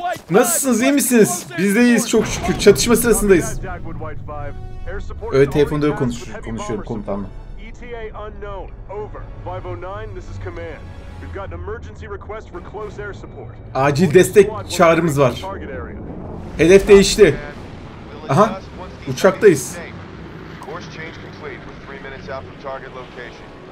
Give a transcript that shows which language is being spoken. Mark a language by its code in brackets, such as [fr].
[tr] Nasılsınız, iyi misiniz? Biz de iyiyiz çok şükür. Çatışma sırasındayız. Evet, telefonda da konuşuyorum komutanla. [en] ETA unknown. Over. 509, this is command. We've got an emergency request for close air support. [tr] Acil destek çağrımız var. Hedef değişti. Aha, uçaktayız. [en] Course change complete with 3 minutes out from target location.